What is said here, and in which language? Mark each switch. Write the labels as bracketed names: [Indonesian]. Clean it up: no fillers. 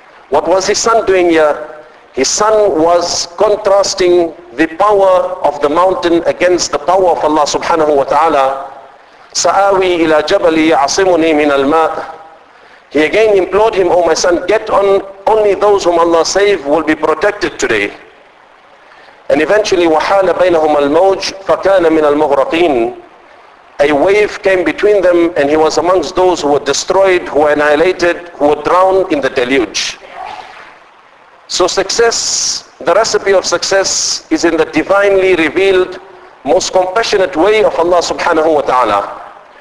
[English] What was his son doing here? His son was contrasting the power of the mountain against the power of Allah subhanahu wa ta'ala. [Arabic] Sa'awi ila jabali ya'asimuni min al-ma. [English] He again implored him, oh my son, get on, only those whom Allah save will be protected today. And eventually, [Arabic] وَحَالَ بَيْنَهُمَ الْمَوْجِ فَكَانَ مِنَ الْمُغْرَقِينَ. [English] A wave came between them and he was amongst those who were destroyed, who were annihilated, who were drowned in the deluge. So success, the recipe of success is in the divinely revealed, most compassionate way of Allah subhanahu wa ta'ala.